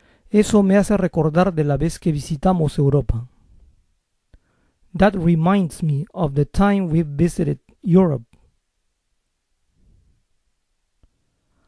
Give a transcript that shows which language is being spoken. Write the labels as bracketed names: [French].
[Spanish] Eso me hace recordar de la vez que visitamos Europa. [English] That reminds me of the time we visited Europe. [Spanish] Hazme recordar que tengo que pagar las cuentas.